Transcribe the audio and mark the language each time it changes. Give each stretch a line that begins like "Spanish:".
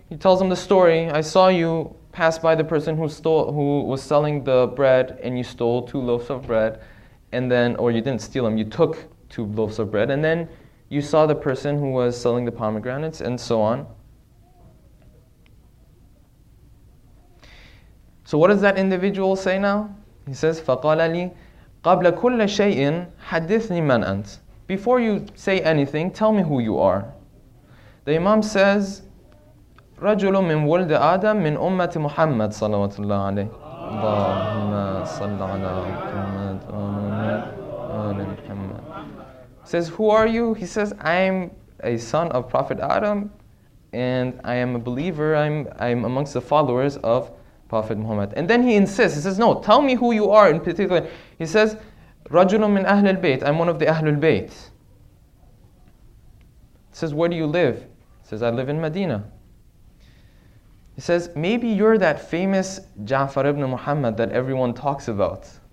English: He tells him the story. I saw you pass by the person who was selling the bread, and you stole 2 loaves of bread, and then, or you didn't steal them, you took 2 loaves of bread, and then you saw the person who was selling the pomegranates, and so on. So what does that individual say now? He says,
Arabic: فَقَالَ لِي قَبْلَ كُلَّ شَيْءٍ حَدِّثْنِي مَنْ أَنْتَ.
English: Before you say anything, tell me who you are. The Imam says,
Arabic: رَجُلٌ مِّن وَلْدِ آدَمْ مِّن أُمَّةِ مُحَمَّدٍ صَلَوَةُ اللَّهُ عَلَيْهِ. اللَّهُمَّ صَلَّ عَلَىٰ مُحَمَّدٍ آلِ مُحَمَّدٍ.
English: Says, who are you? He says, I'm a son of Prophet Adam, and I am a believer, I'm amongst the followers of Prophet Muhammad. And then he insists, he says, no, tell me who you are in particular. He says,
Arabic: رَجُلٌ مِّن أَهْلِ الْبَيْتِ.
English: I'm one of the Ahlul Bayt. He says, where do you live? He says, I live in Medina. He says, maybe you're that famous Ja'far ibn Muhammad that everyone talks about.